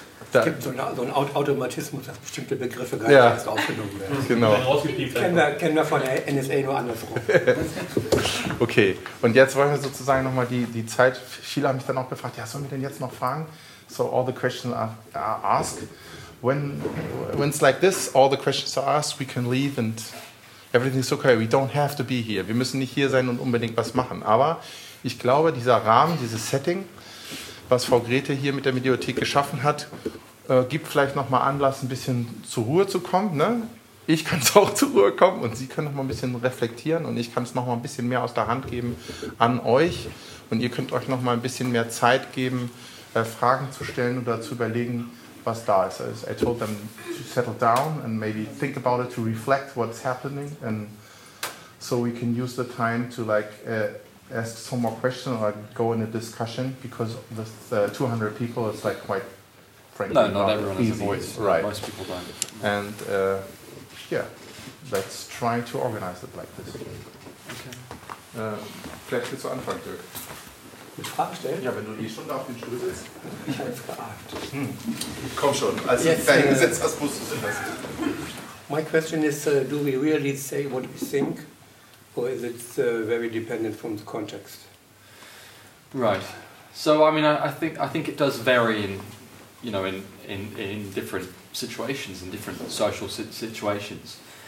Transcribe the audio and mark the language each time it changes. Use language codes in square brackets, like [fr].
[de] es gibt so einen Automatismus, dass bestimmte Begriffe gar nicht erst aufgenommen werden. Genau. Kennen wir von der NSA nur andersrum. Okay, und jetzt wollen wir sozusagen nochmal die Zeit. Viele haben mich dann auch gefragt, ja, sollen wir denn jetzt noch fragen? [en] So, all the questions are asked. When it's like this, all the questions are asked, we can leave and everything is okay, we don't have to be here. [de] Wir müssen nicht hier sein und unbedingt was machen. Aber ich glaube, dieser Rahmen, dieses Setting, was Frau Grete hier mit der Mediothek geschaffen hat, gibt vielleicht nochmal Anlass, ein bisschen zur Ruhe zu kommen. Ne? Ich kann es auch zur Ruhe kommen und Sie können nochmal ein bisschen reflektieren und ich kann es nochmal ein bisschen mehr aus der Hand geben an euch. Und ihr könnt euch nochmal ein bisschen mehr Zeit geben, Fragen zu stellen oder zu überlegen, was da ist. [en] I told them to settle down and maybe think about it, to reflect what's happening, and so we can use the time to like ask some more questions or like go in a discussion, because the 200 people is like quite frankly no, not everyone easy. Has a voice, right? Most people don't. And let's try to organize it like this. Okay. [de] Vielleicht willst du anfangen, Dirk. Mit Fragen stellen? Ja, wenn du eh schon da auf den Stuhl sitzt. Ich habe gefragt. Komm schon, also dahingesetzt, was musst du denn das? [en] My question is, do we really say what we think, or is it very dependent from the context? Right. So, I mean, I think it does vary in, you know, in different situations, in different social situations.